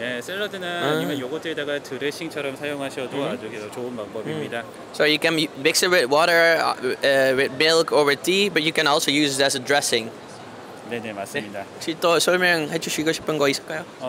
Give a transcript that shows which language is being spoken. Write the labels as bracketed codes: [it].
[ko] 예, 샐러드나 아니면 요거트에다가 드레싱처럼 사용하셔도 아주 좋은 방법입니다. [en] So you can mix it with water, with milk or with tea, but you can also use it as a dressing. [ko] 네네 맞습니다. 네. 혹시 또 설명해 주시고 싶은 거 있을까요?